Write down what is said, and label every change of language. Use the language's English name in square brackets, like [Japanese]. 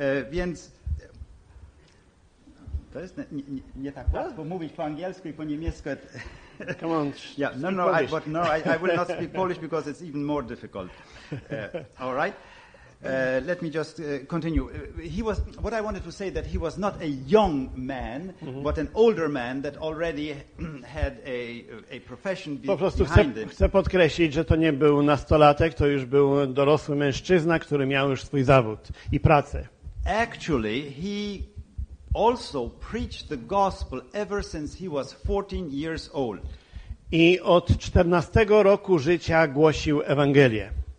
[Polish] Więc to jest nie tak łatwo mówić po angielsku i po niemiecku. [English] Come on. Yeah, no, no, I, but no, I will not speak Polish because it's even more difficult. All right. Let me just continue. He was, what I wanted to say, that he was not a young man, mm-hmm. but an older man that already had a profession [Polish] po prostu [English] behind him. [Polish] Chcę podkreślić, że to nie był nastolatek, to już był dorosły mężczyzna, który miał już swój zawód i pracę. [English] Actually, he also preached the gospel ever since he was 14 years old. [Polish] I od 14 roku życia głosił Ewangelię.